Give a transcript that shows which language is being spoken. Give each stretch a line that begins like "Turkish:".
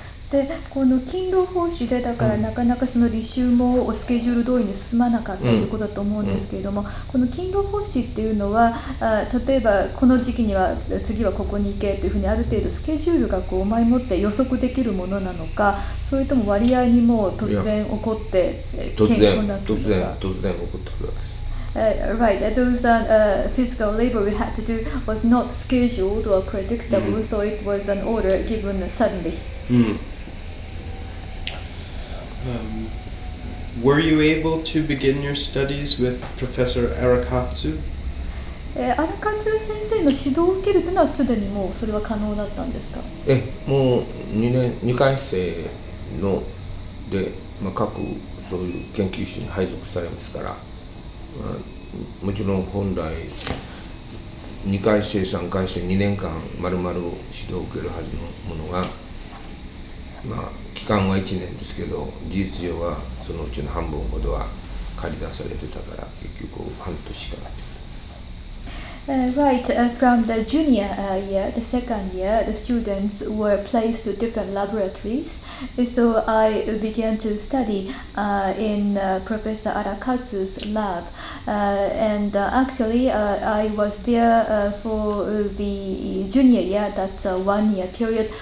Japanese: で、この勤労奉仕でだからなかなかその履修もおスケジュール通りに進まなかったということだと思うんですけれども、この勤労奉仕っていうのは、例えばこの時期には次はここに行けというふうにある程度スケジュールがこう前もって予測できるものなのか、それとも割合にもう突然起こって突然起こってくるわけです。
English: Right, those physical labor we had to do was not scheduled or predictable, so it was an order given suddenly. Were you able to begin your studies with Professor Arakatsu?
Japanese: Arakatsu 先生の指導を受けるというのはすでにもうそれは可能だったんですか？もう2回生の、で、まあ、各そういう研究室に配属されますから、もちろん本来2回生3回生2年間まるまる指導を受けるはずのものが、まあ期間は1年ですけど、事実上はそのうちの半分ほどは借り出されてたから結局半年しかない。
English: Right, from the junior year, the second year, the students were placed to different laboratories. So I began to study in Professor Arakatsu's lab. And actually, I was there for the junior year, that's a 1 year period.